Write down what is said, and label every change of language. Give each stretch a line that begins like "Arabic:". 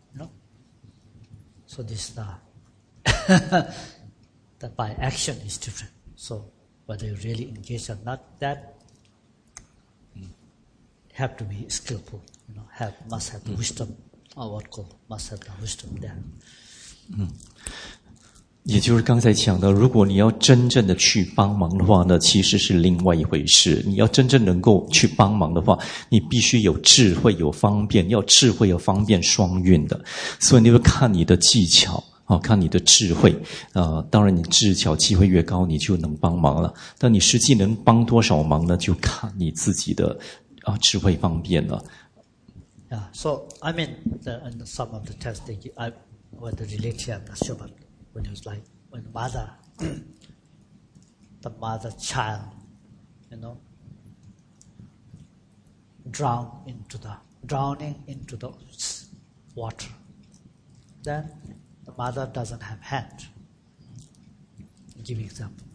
English: You know, so this that by action is different. So whether you really engage or not, that have to be skillful. You know, must have the wisdom, or what called must have the wisdom there.
Chinese: 也就是刚才讲的，如果你要真正的去帮忙的话呢，其实是另外一回事。你要真正能够去帮忙的话，你必须有智慧有方便，要智慧有方便双运的。所以你要看你的技巧，看你的智慧，当然你智巧机会越高你就能帮忙了，但你实际能帮多少忙呢，就看你自己的，智慧方便了。
English: Yeah, So I mean in some of the tests that you, I with the relative, I'm not sure, but when it was like, when the mother, the mother child, you know, drowning into the water, then the mother doesn't have hand, give example.